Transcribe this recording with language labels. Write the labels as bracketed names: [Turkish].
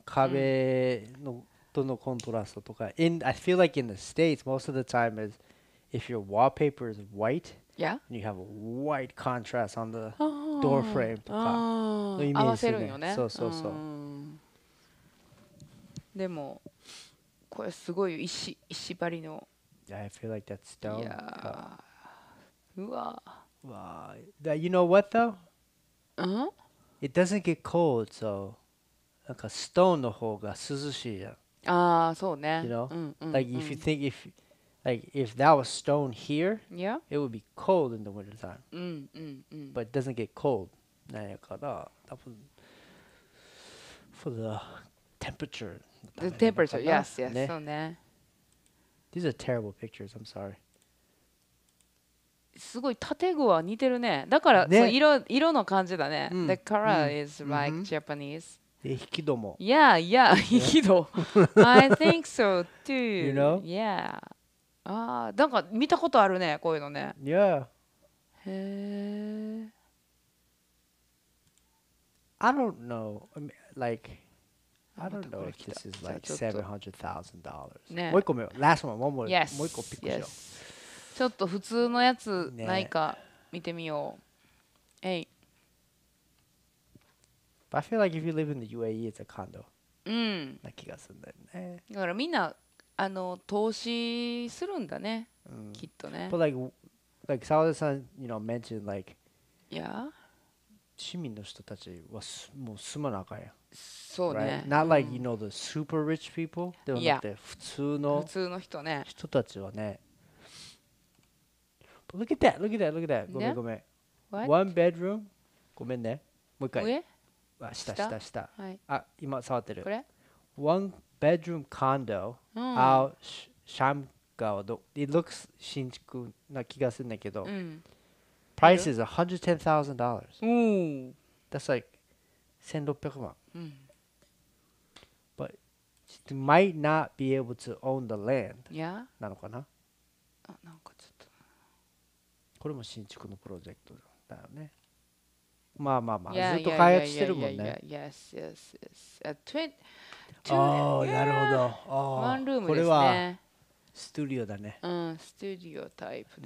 [Japanese] 壁のとのコントラストとか。 [English] In, I feel like in the States, most of the time is if your wallpaper is white, yeah, and you have a white contrast on the door frame とか [Japanese] のイメージするね。合わせるんよね。そうそうそう。でもこれすごい石張りの。 [English] I feel like that's stone. Yeah. うわ。わ。That you know what though? It doesn't get cold, so [Japanese] なんかストーンの方が涼しいじゃん。ああ、そうね。 [English] You know? [Japanese] うんうん、 [English] like [Japanese] うん、 [English] if you think if like if that was stone here, yeah, it would be cold in the winter time. [Japanese] うんうんうん。 [English] But it doesn't get cold. [Japanese] なんやから、多分 [English] for the temperature. The temperature, yes, yes,、 [Japanese] ね、そうね。 [English] These are terrible pictures. I'm sorry. [Japanese] すごい建具は似てるね。だから、ね、その色の感じだね。うん、 [English] The color is like Japanese. [Japanese] で、引き戸も。 [English] Yeah, yeah, [Japanese] 引き戸。 [English] I think so too. You know? Yeah. [Japanese] ああ、なんか見たことあるね、こういうのね。 [English] Yeah. [Japanese] へえ。 [English] I don't know. I mean, like, I don't know if this is like $700,000. [Japanese] ね。もう一個目よ。 [English] Last one. One more. Yes. [Japanese] もう一個ピックしよう。 [English] Yes. [Japanese] ちょっと普通のやつないか見てみよう。え、ね、い。 [English] But I feel like if you live in the UAE, it's a condo. [Japanese] うん。な気がするんだよね。だからみんなあの投資するんだね、うん。きっとね。 [English] But like 沢田さん、you know, mentioned like, yeah, [Japanese] 市民の人たちはもう住まなあかんやん。そうね。 [English] Right? Not like、うん、you know the super rich people. [Japanese] でもだって普通の普通の人ね。人たちはね。 [English] Look at that, look at that, look at that. [Japanese] ごめんごめん。 [English] What? One bedroom. [Japanese] ごめんね。もう一回。上あ、下。はい。あ、今触ってる。これ [English] One bedroom condo、 [Japanese] うん、 [English] out Shamgao. It looks [Japanese] 新築な気がするんだけど。うん、 [English] Price is $110,000. That's like 1600万。 [Japanese] うん。 [English] But might not be able to own the land. Yeah. [Japanese] なのかな。あ、なんかちょっと。これも新築のプロジェクトだよね。まあまあまあ、ずっと開発してるもんね。 [English] Yes, yes, yes. A [Japanese] なるほど。ワンルームですね。これはストゥディオだね。うん、ストゥディオタイプです。